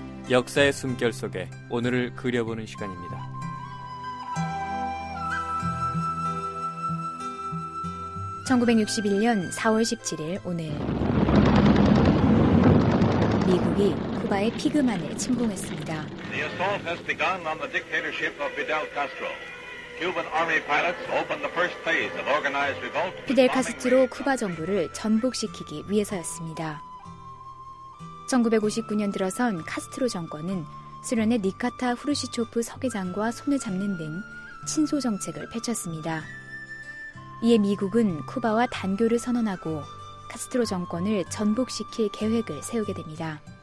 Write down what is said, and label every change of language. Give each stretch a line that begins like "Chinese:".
Korean: 역사의 숨결 속에 오늘을 그려보는 시간입니다. 1961년 4월 17일 오늘 미국이 쿠바의 피그만을 침공했습니다.
English: The assault has begun on the dictatorship of Fidel Castro. Cuban army pilots opened the first phase of organized revolt.
Korean: 피델 카스트로 쿠바 정부를 전복시키기 위해서였습니다. 1959년 들어선 카스트로 정권은 소련의 니카타 후르시초프 서기장과 손을 잡는 등 친소 정책을 펼쳤습니다. 이에 미국은 쿠바와 단교를 선언하고 카스트로 정권을 전복시킬 계획을 세우게 됩니다.